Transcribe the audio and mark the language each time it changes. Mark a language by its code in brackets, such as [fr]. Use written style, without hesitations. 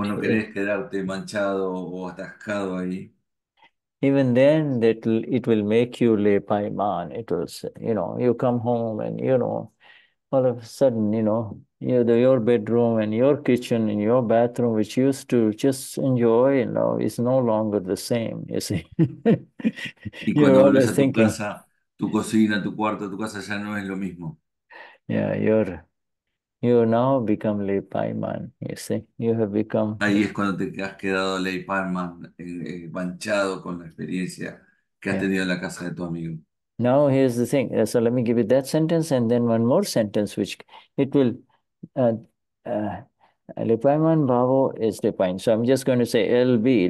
[es] vos no querés quedarte manchado o atascado ahí. [en] even then that it will make you lepaiman. It will, you know, you come home and, you know, all of a sudden, you know, your bedroom and your kitchen and your bathroom, which you used to just enjoy, you know, is no longer the same, you see. [es] Y cuando volvés [en] always [es] a tu [en] thinking. [es] casa, tu cocina, tu cuarto, tu casa ya no es lo mismo. [en] Yeah, you now become lepaiman, you see. You have become. [es] Ahí es cuando te has quedado ley Palma, manchado con la experiencia que has [en] Yeah. [es] tenido en la casa de tu amigo. [en] Now here's the thing. So let me give you that sentence and then one more sentence, which it will. Lepaiman bhavo is defined. So I'm just going to say LB.